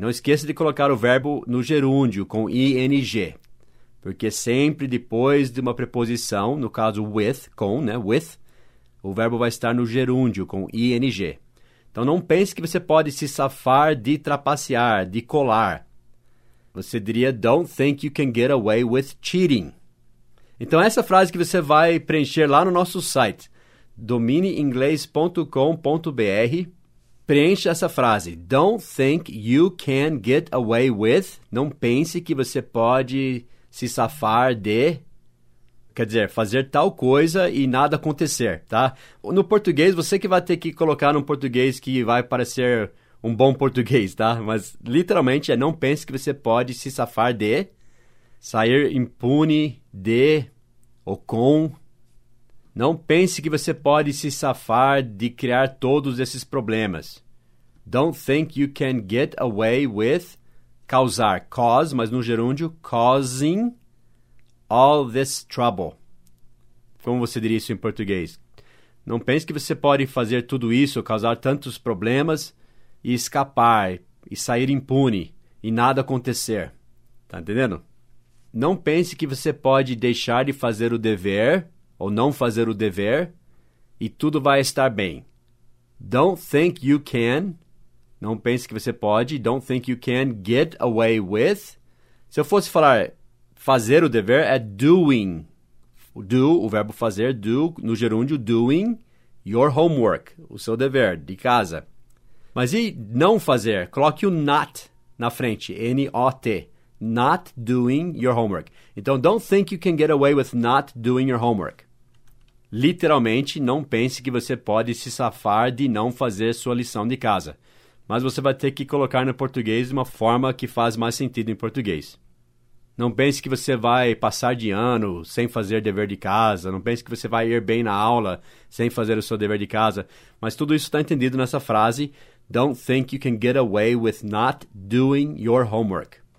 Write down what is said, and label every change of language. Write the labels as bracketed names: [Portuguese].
[Portuguese] Não esqueça de colocar o verbo no gerúndio, com ing. Porque sempre depois de uma preposição, no caso with, com, né, with, o verbo vai estar no gerúndio, com ing. Então, não pense que você pode se safar de trapacear, de colar. Você diria, [English] don't think you can get away with cheating. [Portuguese] Então, essa frase que você vai preencher lá no nosso site, domineinglês.com.br, preencha essa frase. [English] Don't think you can get away with. [Portuguese] Não pense que você pode se safar de, quer dizer, fazer tal coisa e nada acontecer, tá? No português, você que vai ter que colocar num português que vai parecer um bom português, tá? Mas, literalmente, é não pense que você pode se safar de, sair impune de ou com. Não pense que você pode se safar de criar todos esses problemas. [English] Don't think you can get away with causar, cause, [Portuguese] mas no gerúndio, [English] causing all this trouble. [Portuguese] Como você diria isso em português? Não pense que você pode fazer tudo isso, causar tantos problemas e escapar, e sair impune, e nada acontecer. Tá entendendo? Não pense que você pode deixar de fazer o dever, ou não fazer o dever, e tudo vai estar bem. [English] Don't think you can, [Portuguese] não pense que você pode, [English] don't think you can get away with. [Portuguese] Se eu fosse falar fazer o dever, é doing. Do, o verbo fazer, do, no gerúndio, [English] doing your homework, [Portuguese] o seu dever de casa. Mas e não fazer? Coloque o not na frente, N-O-T. [English] Not doing your homework. Então, don't think you can get away with not doing your homework. [Portuguese] Literalmente, não pense que você pode se safar de não fazer sua lição de casa. Mas você vai ter que colocar no português de uma forma que faz mais sentido em português. Não pense que você vai passar de ano sem fazer dever de casa. Não pense que você vai ir bem na aula sem fazer o seu dever de casa. Mas tudo isso está entendido nessa frase. [English] Don't think you can get away with not doing your homework.